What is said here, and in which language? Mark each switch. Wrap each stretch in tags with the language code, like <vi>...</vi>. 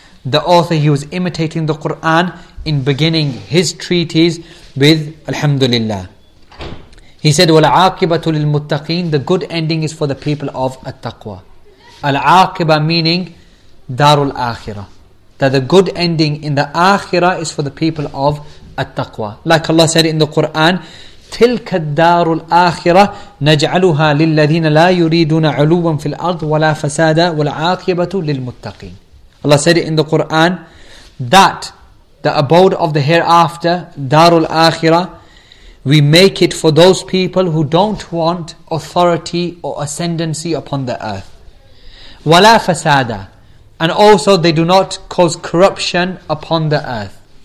<en>The author, he was imitating the Quran in beginning his treatise with Alhamdulillah. He said,</en> <ar>وَالْعَاقِبَةُ لِلْمُتَّقِينَ.</ar> <en>The good ending is for the people of At-Taqwa. Al-Aqiba meaning Darul Akhira. That the good ending in the Akhira is for the people of At-Taqwa. Like Allah said in the Quran,</en> <ar>تِلْكَ الدَّارُ الْآخِرَةِ نَجْعَلُهَا لِلَّذِينَ لَا يُرِيدُونَ عُلُوًا فِي الْأَرْضِ وَلَا فَسَادًا وَالْعَاقِبَةُ لِلْمُتَّقِينَ.</ar> <en>Allah said it in the Quran that the abode of the hereafter, Darul Akhirah, we make it for those people who don't want authority or ascendancy upon the earth.</en> <ar>Wala fasada,</ar> <en>and also they do not cause corruption upon the earth.</en>